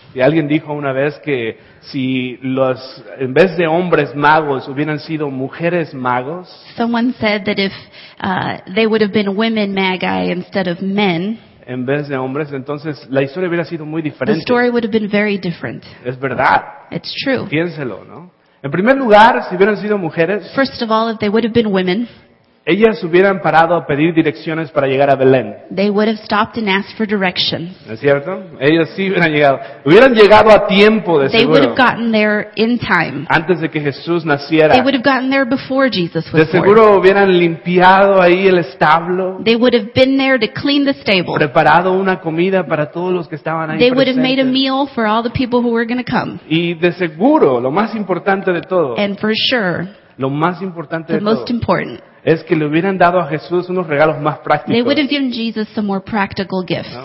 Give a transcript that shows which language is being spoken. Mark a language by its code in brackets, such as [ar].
[es] Y alguien dijo una vez que si en vez de hombres magos hubieran sido mujeres magos. [en] Someone said that if they would have been women magi instead of men. [es] En vez de hombres, entonces la historia hubiera sido muy diferente. [en] The story would have been very different. [es] Es verdad. [en] It's true. [es] Piénselo, ¿no? En primer lugar, si hubieran sido mujeres. [en] First of all, if they would have been women. [es] Ellas hubieran parado a pedir direcciones para llegar a Belén. [en] They would have stopped and asked for directions. [es] ¿Es cierto? Ellas sí hubieran llegado. Hubieran llegado a tiempo, de seguro. [en] They would have gotten there in time. [es] Antes de que Jesús naciera. [en] They would have gotten there before Jesus was born. [es] De seguro hubieran limpiado ahí el establo. [en] They would have been there to clean the stable. [es] Preparado una comida para todos los que estaban ahí [en] They [es] presentes. [en] Would have made a meal for all the people who were going to come. [es] Y de seguro, lo más importante de todo. [en] And for sure. [es] Lo más importante de todo important es que le hubieran dado a Jesús unos regalos más prácticos. [en] They would have given Jesus some more practical gifts.